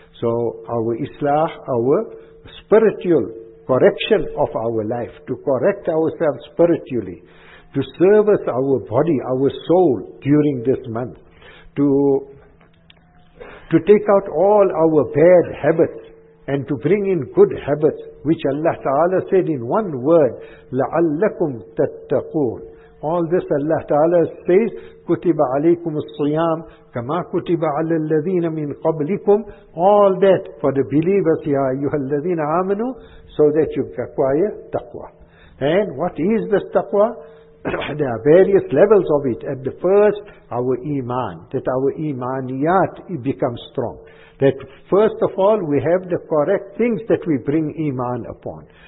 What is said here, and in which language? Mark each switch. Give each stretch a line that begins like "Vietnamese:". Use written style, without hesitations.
English: So our islah, our spiritual correction of our life, to correct ourselves spiritually, to service our body, our soul during this month, to take out all our bad habits and to bring in good habits, which Allah Ta'ala said in one word,
Arabic: لَعَلَّكُمْ تَتَّقُونَ.
English: All this Allah Ta'ala says,
Arabic: كُتِبَ عَلَيْكُمُ الصِّيَامِ كَمَا كُتِبَ عَلَى الَّذِينَ مِنْ قَبْلِكُمْ.
English: All that for the believers,
Arabic: يَا أَيُّهَا الَّذِينَ آمَنُوا,
English: so that you acquire taqwa. And what is this taqwa? There are various levels of it. At the first, our iman, that our imaniyat becomes strong. That first of all, we have the correct things that we bring iman upon.